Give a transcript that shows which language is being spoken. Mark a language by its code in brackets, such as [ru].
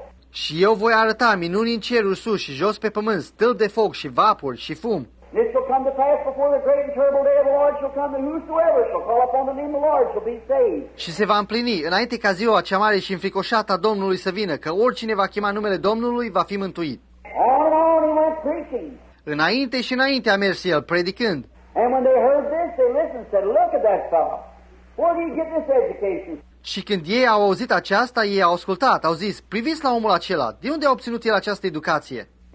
[ro] Și eu voi arăta minuni în cerul sus și jos pe pământ, stâlpi de foc și vapori și fum. [en] This shall come to pass before the great and terrible day of the Lord shall come, and whosoever shall call upon the name of the Lord shall be saved. [ro] Și se va împlini înainte ca ziua cea mare și înfricoșată a Domnului să vină, că oricine va chema numele Domnului va fi mântuit. [en] On and on he went preaching. [ro] Înainte și înainte a mers el, predicând. [en] And when they heard this, they listened and said, look at that fellow. Where do you get this education? [ro] Și când ei au auzit aceasta, ei au ascultat, au zis, priviți la omul acela, de unde a obținut el această educație?